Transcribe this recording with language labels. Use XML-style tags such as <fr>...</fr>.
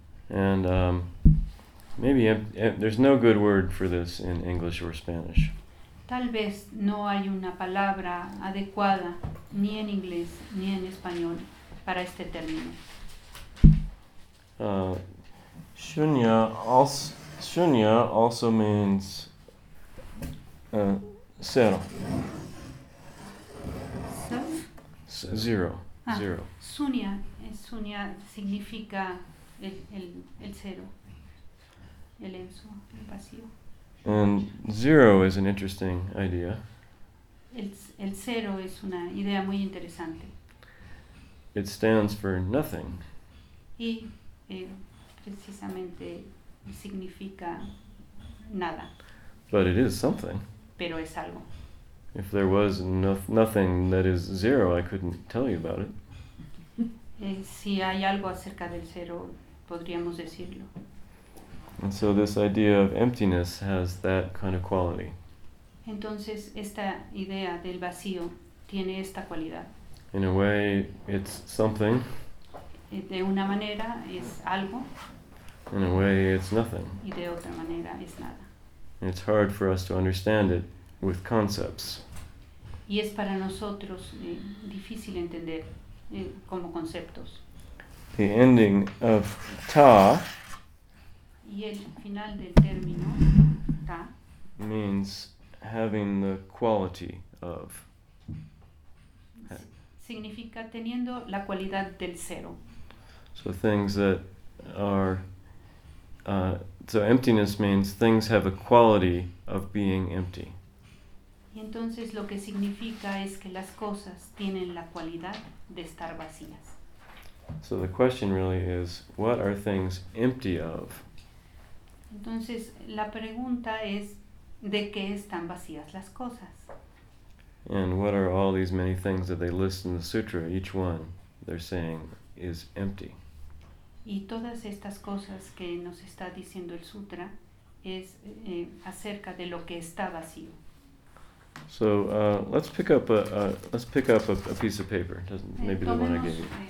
<en>And maybe there's no good word for this in English or Spanish.</en> <es>Tal vez no hay una palabra adecuada ni en inglés ni en español para este término.</es> <en>Shunya also means zero. Zero. Zero.</en> <es>Sunya. Sunya significa el cero. El enzo, el vacío.</es> <en>And zero is an interesting idea.</en> <es>El cero es una idea muy interesante.</es> <en>It stands for nothing.</en> <es>Y precisamente significa nada.</es> <en>But it is something.</en> <es>Pero es algo.</es> <en>If there was nothing that is zero, I couldn't tell you about it.</en> <es>Si hay algo acerca del cero, podríamos decirlo.</es> <en>And so this idea of emptiness has that kind of quality.</en> <es>Entonces, esta idea del vacío tiene esta cualidad.</es> <en>In a way, it's something.</en> <es>De una manera es algo.</es> <en>In a way, it's nothing.</en> <es>Y de otra manera es nada.</es> <en>And it's hard for us to understand it with concepts.</en> <es>Y es para nosotros difícil entender como conceptos.</es> <en>The ending of ta.</en> <es>Y el final del término ta.</es> <en>Means having the quality of.</en> <es>Significa teniendo la cualidad del cero.</es> <en>So things that are so emptiness means things have a quality of being empty.</en> <es>Y entonces lo que significa es que las cosas tienen la cualidad de estar vacías.</es> <en>So the question really is, what are things empty of?</en> <es>Entonces la pregunta es, ¿de qué están vacías las cosas?</es> <en>And what are all these many things that they list in the sutra, each one, they're saying, is empty.</en> <es>Y todas estas cosas que nos está diciendo el sutra es acerca de lo que está vacío.</es> <en>So let's pick up a piece of paper, maybe the one I gave you.</en>